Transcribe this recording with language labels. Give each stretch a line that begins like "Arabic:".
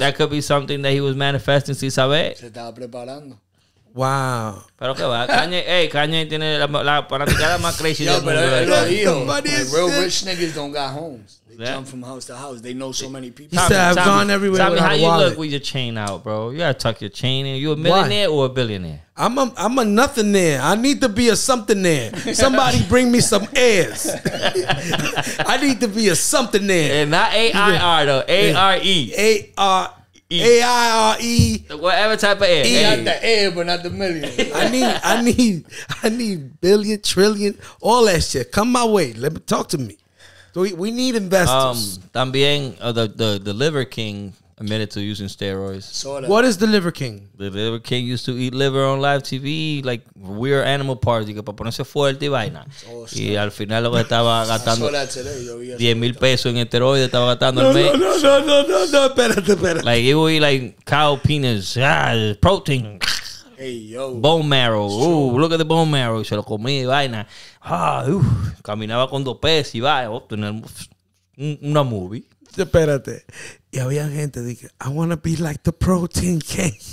English: That could be something that he was manifesting,
Spanish: si sabe. Se estaba preparando.
English: Wow.
Spanish: Pero que va. Kanye tiene la fanaticada más crazy del mundo.
English: Yo,
Spanish: pero él lo dijo.
English: Real rich niggas don't got homes. Yeah. Jump from house to house. They know so many people. He said, I've gone everywhere. Tell me how wallet. You look with your chain out, bro. You gotta tuck your chain in. You a millionaire or a billionaire? I'm a nothing there. I need to be a something there. Somebody bring me some airs. I need to be a something there. And not A-I-R though. A-R-E. A-I-R-E. Whatever type of air. Not the air, but not the million. I need billion, trillion, all that shit. Come my way. Let me talk to me. So we need investors.
Spanish: También
English: the Liver King admitted to using steroids. What is the Liver King? The Liver King used to eat liver on live TV, like weird animal parts.
Spanish: Digo, para ponerse fuerte y vaina. Y al final lo que estaba gastando 10 mil pesos en esteroides estaba gastando el mes. No, espérate.
English: Like it would eat like cow penis, protein. Hey, yo. Bone marrow. Ooh, look at the bone marrow.
Spanish: Se lo comí y vaina. Caminaba con dos pesos y vaya. Una movie. Espérate. Y había gente que dice,
English: I want to be like the protein king.